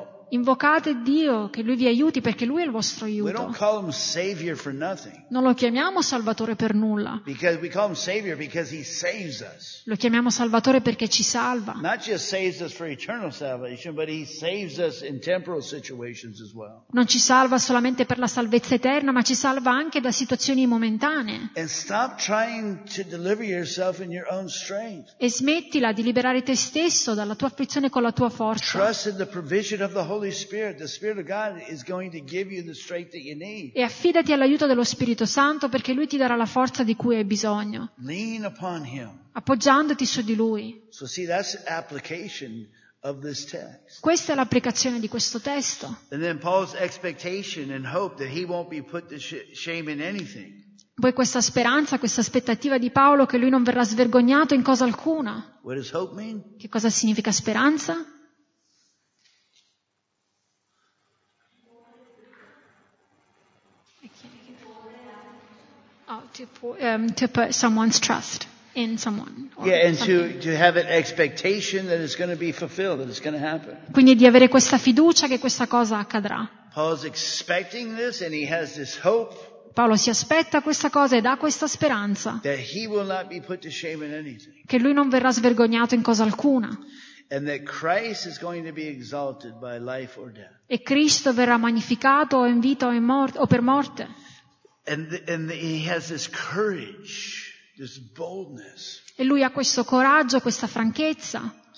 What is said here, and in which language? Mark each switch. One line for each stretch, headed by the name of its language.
Italian: invocate Dio che Lui vi aiuti perché Lui è il vostro aiuto.
English: We don't call him savior for nothing.
Italian: Non lo chiamiamo Salvatore per nulla.
English: Because we call him savior because he saves us.
Italian: Lo chiamiamo Salvatore perché ci salva.
English: Not just saves us for eternal salvation, but he saves us in temporal situations as well.
Italian: Non ci salva solamente per la salvezza eterna, ma ci salva anche da situazioni momentanee.
English: And stop trying to deliver yourself in your own strength.
Italian: E smettila di liberare te stesso dalla tua afflizione con la tua forza.
English: Trust in the provision of the Holy Spirit. The Spirit of God is going to give you the strength that you need.
Italian: E affidati all'aiuto dello Spirito Santo perché Lui ti darà la forza di cui hai bisogno.
English: Lean upon Him.
Italian: Appoggiandoti su di Lui.
English: So see, that's application of this text.
Italian: Questa è l'applicazione di questo testo.
English: And then Paul's expectation and hope that he won't be put to shame in anything.
Italian: Poi questa speranza, questa aspettativa di Paolo che lui non verrà svergognato in cosa alcuna.
English: What does hope mean?
Italian: Che cosa significa speranza?
English: To put someone's trust in someone. Yeah, and to have an expectation that it's going to be fulfilled, that it's going to happen.
Italian: Quindi di avere questa fiducia che questa cosa accadrà.
English: Paul's expecting this and he has this hope.
Italian: Paolo si aspetta questa cosa ed ha questa speranza che lui non verrà svergognato in cosa alcuna e Cristo verrà magnificato in vita o per morte e lui ha questo coraggio, questa franchezza.